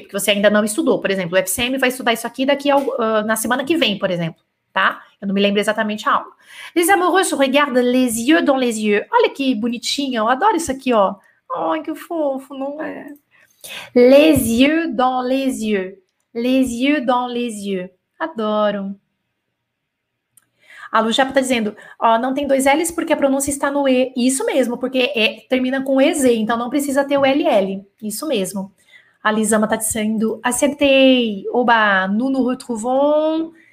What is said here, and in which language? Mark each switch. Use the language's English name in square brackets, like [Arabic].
[Portuguese] Porque você ainda não estudou. Por exemplo, o FCM vai estudar isso aqui na semana que vem, por exemplo, tá? Eu não me lembro exatamente a aula. [French] Les amoureux se regardent les yeux dans les yeux. [Portuguese] Olha que bonitinho, eu adoro isso aqui, ó. Ai, que fofo, não é? [French] Les yeux dans les yeux. Les yeux dans les yeux. Adoro. [Portuguese] A Lu Japa tá dizendo, ó, não tem dois L's porque a pronúncia está no E. Isso mesmo, porque termina com EZ, então não precisa ter o LL. Isso mesmo. A Lizama tá dizendo, acertei. [French] Oba, nous nous retrouvons.